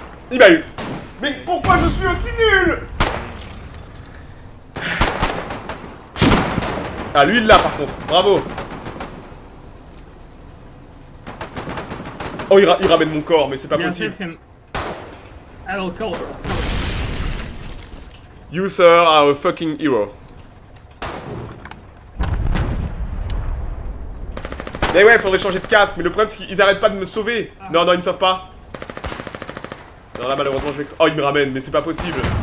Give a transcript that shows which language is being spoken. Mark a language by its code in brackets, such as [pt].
[fr] Il m'a eu! Mais pourquoi je suis aussi nul? Ah lui il l'a par contre, bravo! Oh il ramène mon corps, mais c'est pas possible! [en] You sir are a fucking hero. [fr] Mais ouais, faudrait changer de casque, mais le problème c'est qu'ils arrêtent pas de me sauver. Non, non, ils me sauvent pas. Non, là malheureusement je vais... Oh, ils me ramènent, mais c'est pas possible.